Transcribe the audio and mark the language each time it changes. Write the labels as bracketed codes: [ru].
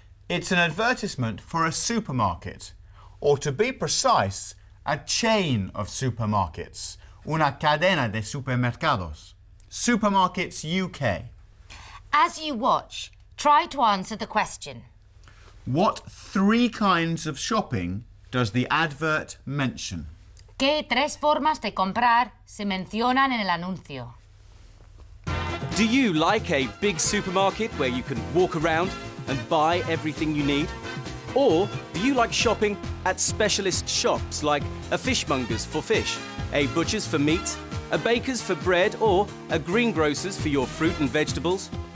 [en] It's an advertisement for a supermarket, or to be precise, a chain of supermarkets. [es] Una cadena de supermercados. Supermarkets UK. [en] As you watch, try to answer the question. What three kinds of shopping does the advert mention? [es] ¿Qué tres formas de comprar se mencionan en el anuncio? [en] Do you like a big supermarket where you can walk around and buy everything you need? Or do you like shopping at specialist shops like a fishmonger's for fish, a butcher's for meat, a baker's for bread, or a greengrocer's for your fruit and vegetables?